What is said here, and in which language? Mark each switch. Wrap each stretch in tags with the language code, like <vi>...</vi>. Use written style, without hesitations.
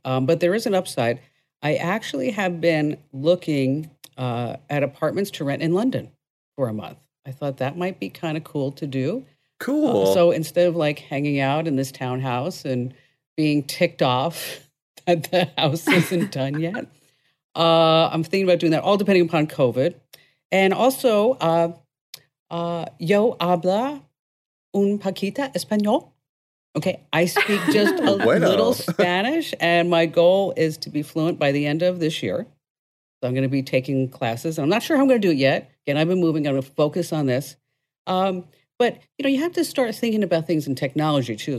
<en>But there is an upside. I actually have been looking at apartments to rent in London for a month. I thought that might be kind of cool to do. Cool. So instead of like hanging out in this townhouse and being ticked off that the house isn't done yet, I'm thinking about doing that, all depending upon COVID. And also,</en> <es>yo habla un poquita español.</es> <en>Okay, I speak just a little Spanish, and my goal is to be fluent by the end of this year. So I'm going to be taking classes. I'm not sure how I'm going to do it yet. Again, I've been moving. I'm going to focus on this. But, you know, you have to start thinking about things in technology, too.</en>